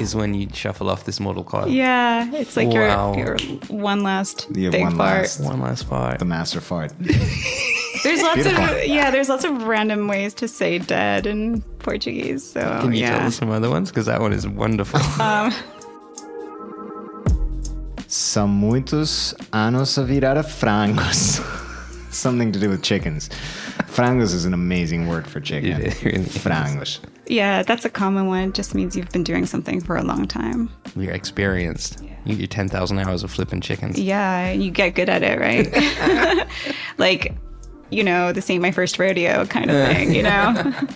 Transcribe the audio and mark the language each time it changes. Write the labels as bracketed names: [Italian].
[English] Is when you shuffle off this mortal coil. Yeah. It's like your one last big one fart. One last fart. The master fart. There's lots of there's lots of random ways to say dead in Portuguese. So can you tell us some other ones? Because that one is wonderful. [Portuguese] São muitos anos a virar a frangos. [English] Something to do with chickens. Frangos is an amazing word for chicken. Really frangos. Yeah, that's a common one. It just means you've been doing something for a long time. You're experienced. Yeah. You get your 10,000 hours of flipping chickens. Yeah, you get good at it, right? Like, you know, this ain't my first rodeo kind of thing, you know?